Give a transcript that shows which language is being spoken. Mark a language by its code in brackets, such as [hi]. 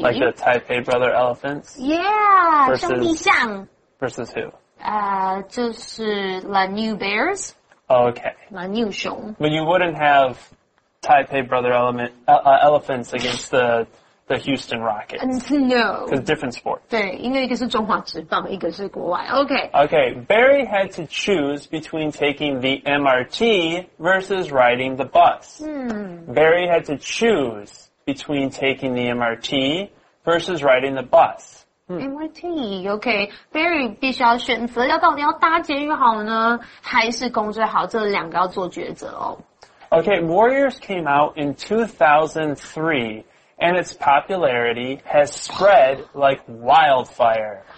[en] Like the Taipei Brother Elephants? Yeah, 兄弟象。 Versus who? 就是 the new bears. Okay. The new 熊。 But you wouldn't have... Taipei Brother element, Elephants against the Houston Rockets. No. Because different sport. [zh] 对，因为一个是中华职棒，一个是国外。 [en] Okay. Okay, Barry had to choose between taking the MRT versus riding the bus. Barry had to choose between taking the MRT versus riding the bus. MRT, okay. [zh] Barry 必须要选择要到底要搭捷运好呢，还是公车好，这两个要做抉择哦。 [en] Okay, Warriors came out in 2003, and its popularity has spread like wildfire.